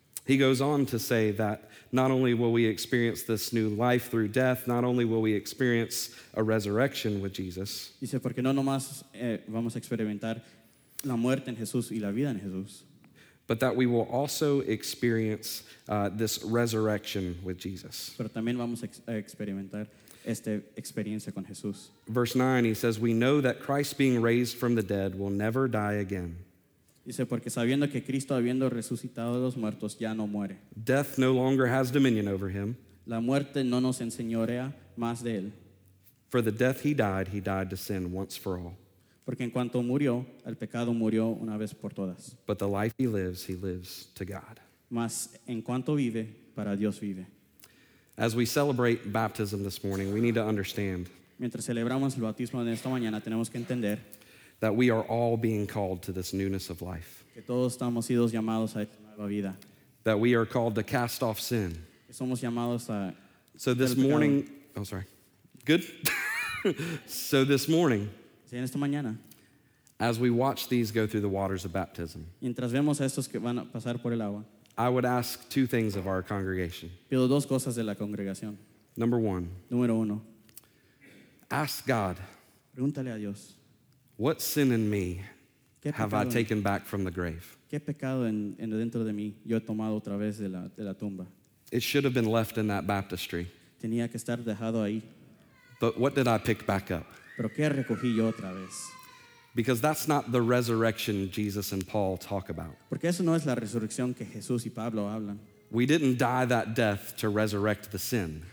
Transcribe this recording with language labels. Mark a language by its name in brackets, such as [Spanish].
[English] He goes on to say that not only will we experience this new life through death, not only will we experience a resurrection with Jesus. [Spanish] Dice porque no nomás vamos a experimentar la muerte en Jesús y la vida en Jesús. [English] But that we will also experience this resurrection with Jesus. [Spanish] Pero también vamos a experimentar esta experiencia con Jesús. [English] Verse 9, he says, "We know that Christ being raised from the dead will never die again." [Spanish] Dice, porque sabiendo que Cristo, habiendo resucitado de los muertos, ya no muere. [English] Death no longer has dominion over him. [Spanish] La muerte no nos enseñorea más de él. [English] For the death he died to sin once for all. [Spanish] Porque en cuanto murió, el pecado murió una vez por todas. [English] But the life he lives to God. [Spanish] Mas en cuanto vive, para Dios vive. [English] As we celebrate baptism this morning, we need to understand [Spanish] mientras celebramos el bautismo en esta mañana, tenemos que entender [English] that we are all being called to this newness of life. [Spanish] Que todos estamos sido llamados a esta nueva vida. [English] That we are called to cast off sin. [Spanish] Que somos llamados a [English] so this morning, oh sorry, good? So this morning, [Spanish] en esta mañana, [English] as we watch these go through the waters of baptism, [Spanish] mientras vemos a estos que van a pasar por el agua, [English] I would ask two things of our congregation. [Spanish] Pido dos cosas de la congregación. [English] Number one. [Spanish] Número uno. [English] Ask God. [Spanish] Pregúntale a Dios. [English] What sin in me have I taken back from the grave? [Spanish] ¿Qué pecado en dentro de mí yo he tomado otra vez de la tumba? [English] It should have been left in that baptistry. [Spanish] Tenía que estar dejado ahí. [English] But what did I pick back up? [Spanish] ¿Pero qué recogí yo otra vez? [English] Because that's not the resurrection Jesus and Paul talk about. [Spanish] Porque eso no es la resurrección que Jesús y Pablo hablan. [English] We didn't die that death to resurrect the sin.